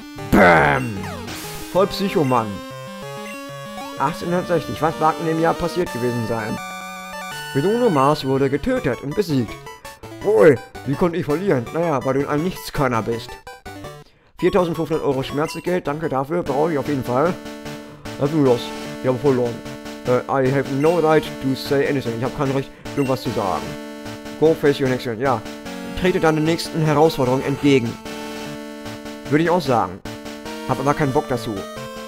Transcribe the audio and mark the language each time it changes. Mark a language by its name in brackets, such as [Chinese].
[German] Bam! Voll Psychomann. 1860, was mag in dem Jahr passiert gewesen sein? Bruno Mars wurde getötet und besiegt. Boah, wie konnte ich verlieren? Naja, weil du ein Nichtskönner bist. 4500 Euro Schmerzgeld, danke dafür, brauche ich auf jeden Fall. Was ist los? Ich habe verloren. [English] I have no right to say anything. [German] Ich habe kein Recht, irgendwas zu sagen. [English] Go face your next one. [German] Ja, trete deine nächsten Herausforderungen entgegen. Würde ich auch sagen. Hab aber keinen Bock dazu.